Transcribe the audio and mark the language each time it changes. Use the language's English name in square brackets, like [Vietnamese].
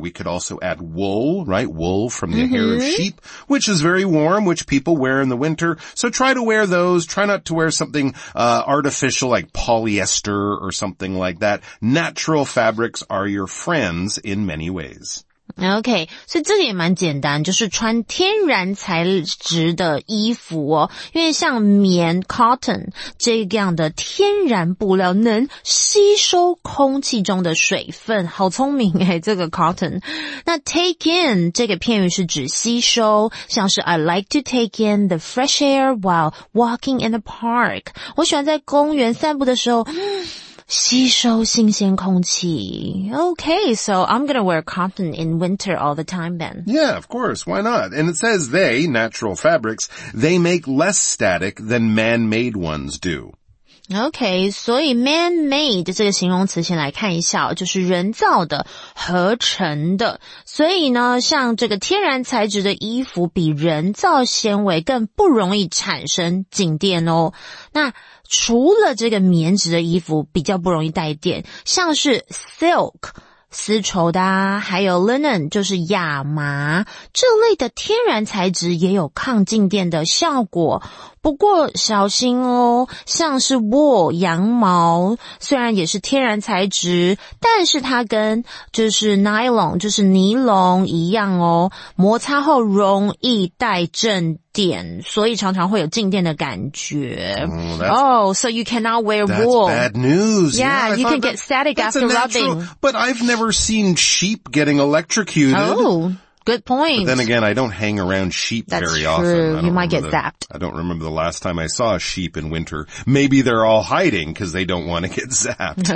[English] We could also add wool, right? Wool from the hair of sheep, which is very warm, which people wear in the winter. So try to wear those. Try not to wear something artificial like polyester or something like that. Natural fabrics are your friends in many ways. [Chinese] Okay, 所以这个也蛮简单，就是穿天然材质的衣服哦。因为像棉 cotton 这样的天然布料能吸收空气中的水分，好聪明诶，这个 cotton。那 take in 这个片语是指吸收，像是 [English] I like to take in the fresh air while walking in the park. [Chinese] 我喜欢在公园散步的时候吸收新鲜空气。 [English] Okay, so I'm gonna wear cotton in winter all the time then. Yeah, of course, why not? And it says they, natural fabrics, they make less static than man-made ones do. [Chinese] Okay, 所以 man-made 这个形容词先来看一下，就是人造的、合成的。所以呢，像这个天然材质的衣服比人造纤维更不容易产生静电哦。那除了这个棉质的衣服比较不容易带电，像是 silk 丝绸的啊，还有 linen 就是亚麻，这类的天然材质也有抗静电的效果。不过小心哦，像是 wool 羊毛，虽然也是天然材质，但是它跟就是 nylon 就是尼龙一样哦，摩擦后容易带正电，所以常常会有静电的感觉。 [English] Oh, so you cannot wear wool. That's bad news. Yeah, yeah, you can get static after rubbing. But I've never seen sheep getting electrocuted. Oh. Good point. But then again, I don't hang around sheep very often. That's true. You might get zapped. I don't remember the last time I saw a sheep in winter. Maybe they're all hiding because they don't want to get zapped.